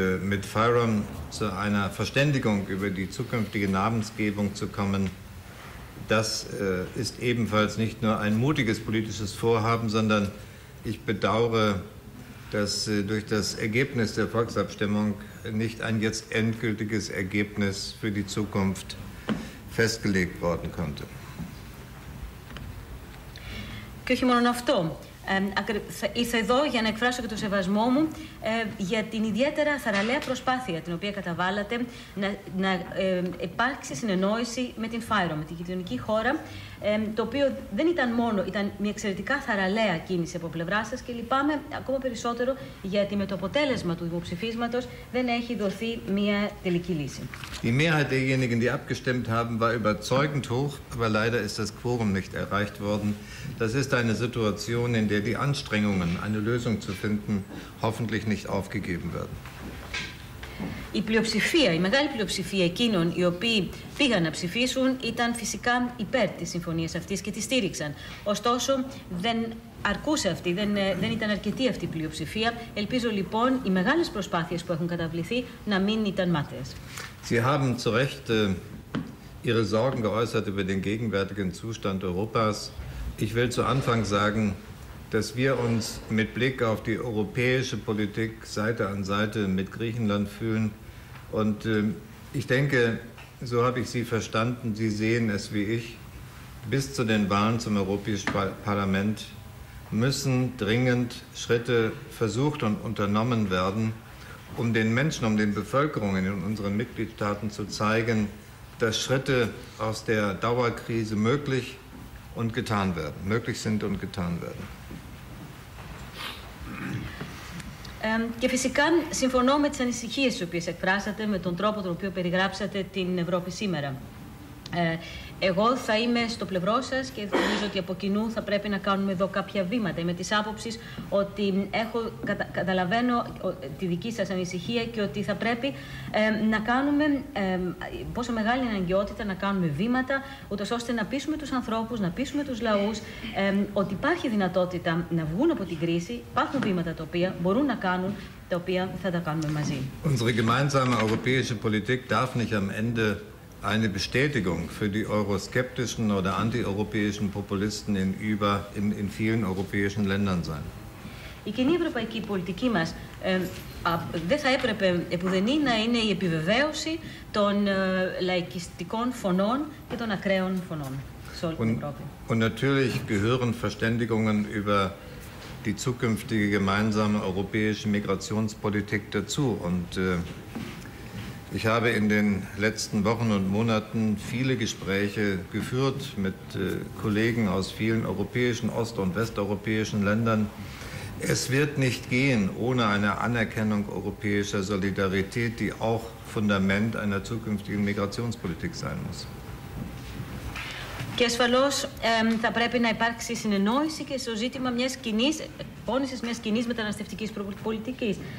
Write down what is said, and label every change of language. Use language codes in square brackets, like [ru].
[de] mit Phairon zu einer Verständigung über die zukünftige Namensgebung zu kommen, das ist ebenfalls nicht nur ein mutiges politisches Vorhaben, sondern ich bedauere, dass durch das Ergebnis der Volksabstimmung nicht ein jetzt endgültiges Ergebnis für die Zukunft festgelegt worden konnte. [el] Ήρθα εδώ για να εκφράσω και τον σεβασμό μου για την ιδιαίτερα θαραλέα προσπάθεια την οποία καταβάλατε να υπάρξει συνεννόηση με την Φάιρο, με την γειτονική χώρα, το οποίο δεν ήταν μόνο, ήταν μια εξαιρετικά θαραλέα κίνηση από πλευρά σας και λυπάμαι ακόμα περισσότερο γιατί με το αποτέλεσμα του δημοψηφίσματος δεν έχει δοθεί μια τελική λύση. Η [de] Mehrheit derjenigen, die abgestimmt haben, war überzeugend hoch, aber leider ist das Quorum nicht erreicht worden. Das ist eine Situation, in der die Anstrengungen, eine Lösung zu finden, hoffentlich nicht aufgegeben werden. [el] Η πλειοψηφία, η μεγάλη πλειοψηφία εκείνων οι οποίοι πήγαν να ψηφίσουν ήταν φυσικά υπέρ της συμφωνίας αυτής και τη στήριξαν. Ωστόσο, δεν αρκούσε αυτή, δεν ήταν αρκετή αυτή η πλειοψηφία. Ελπίζω λοιπόν οι μεγάλες προσπάθειες που έχουν καταβληθεί να μην ήταν μάταιες. [de] Sie haben zu Recht Ihre Sorgen geäußert über den gegenwärtigen Zustand Europas. Ich will zu Anfang sagen, dass wir uns mit Blick auf die europäische Politik Seite an Seite mit Griechenland fühlen. Und ich denke, so habe ich Sie verstanden, Sie sehen es wie ich, bis zu den Wahlen zum Europäischen Parlament müssen dringend Schritte versucht und unternommen werden, um den Menschen, um den Bevölkerungen in unseren Mitgliedstaaten zu zeigen, dass Schritte aus der Dauerkrise möglich und getan werden, möglich sind und getan werden. [el] Και φυσικά συμφωνώ με τις ανησυχίες τις οποίες εκφράσατε, με τον τρόπο τον οποίο περιγράψατε την Ευρώπη σήμερα. Εγώ θα είμαι στο πλευρό σας και νομίζω ότι από κοινού θα πρέπει να κάνουμε εδώ κάποια βήματα. Είμαι της άποψης ότι καταλαβαίνω τη δική σας ανησυχία και ότι θα πρέπει να κάνουμε πόσο μεγάλη αναγκαιότητα να κάνουμε βήματα, ούτως ώστε να πείσουμε τους ανθρώπους, να πείσουμε τους λαούς ότι υπάρχει δυνατότητα να βγουν από την κρίση. Υπάρχουν βήματα τα οποία μπορούν να κάνουν, τα οποία θα τα κάνουμε μαζί. [de] Unsere gemeinsame europäische Politik darf nicht am Ende eine Bestätigung für die euroskeptischen oder antieuropäischen Populisten in vielen europäischen Ländern sein. [el] Η κοινή ευρωπαϊκή πολιτική μας δεν θα έπρεπε επουδενή να είναι η επιβεβαίωση των λαϊκιστικών φωνών και των ακραίων φωνών σε όλη την Ευρώπη. [de] Und natürlich gehören Verständigungen über die zukünftige gemeinsame europäische Migrationspolitik dazu. Und ich habe in den letzten Wochen und Monaten viele Gespräche geführt mit Kollegen aus vielen europäischen, ost- und westeuropäischen Ländern. Es wird nicht gehen ohne eine Anerkennung europäischer Solidarität, die auch Fundament einer zukünftigen Migrationspolitik sein muss. [el] Και ασφαλώς θα πρέπει να υπάρξει συνεννόηση και στο ζήτημα μιας κοινής εκπόνησης, μιας κοινής μεταναστευτικής πολιτικής.